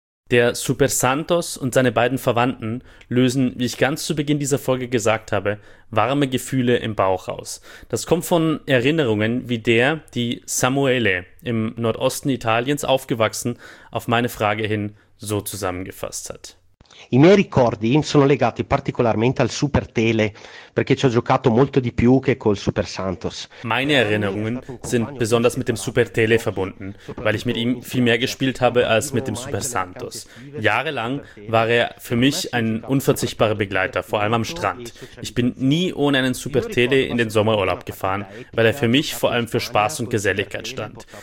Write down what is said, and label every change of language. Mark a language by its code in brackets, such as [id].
[de] Der Super Santos und seine beiden Verwandten lösen, wie ich ganz zu Beginn dieser Folge gesagt habe, warme Gefühle im Bauch aus. Das kommt von Erinnerungen wie der, die Samuele im Nordosten Italiens aufgewachsen, auf meine Frage hin so zusammengefasst hat. [it] I miei ricordi sono legati particolarmente al Super Tele, perché ci ho giocato molto di più che col Super Santos. [de] Meine Erinnerungen sind besonders mit dem Super Tele verbunden, weil ich mit ihm viel mehr gespielt habe als mit dem Super Santos. Jahrelang war er für mich ein unverzichtbarer Begleiter, vor allem am Strand. Ich bin nie ohne einen Super Tele in den Sommerurlaub gefahren, weil er für mich vor allem für Spaß und Geselligkeit stand.